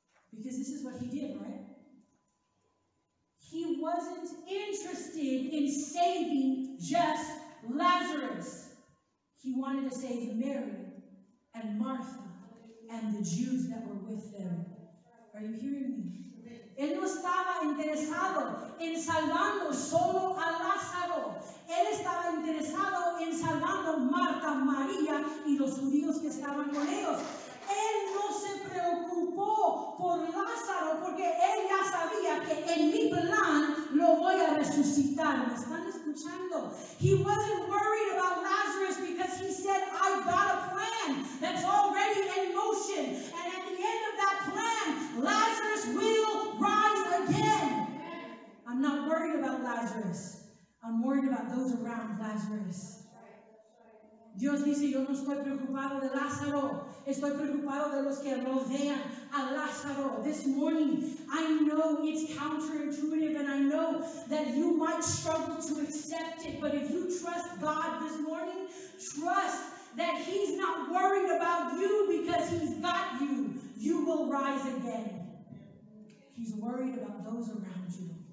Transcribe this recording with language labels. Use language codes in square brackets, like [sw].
[en] Because this is what he did, right? He wasn't interested in saving just Lazarus. He wanted to save Mary and Martha and the Jews that were with them. Are you hearing me? [es] Él no estaba interesado en salvando solo a Lázaro. Él estaba interesado en salvando Marta, María y los judíos que estaban con ellos. Él no se preocupó por Lázaro porque él ya sabía que en mi plan lo voy a resucitar. ¿Me están escuchando? [en] He wasn't worried about Lazarus because he said, I've got a plan that's already in motion. And at the end of that plan, Lazarus will rise again. I'm not worried about Lazarus. I'm worried about those around Lazarus. [es] Dios dice, yo no estoy preocupado de Lázaro. Estoy preocupado de los que rodean a Lázaro. [en] This morning, I know it's counterintuitive and I know that you might struggle to accept it. But if you trust God this morning, trust that he's not worried about you because he's got you. You will rise again. He's worried about those around you.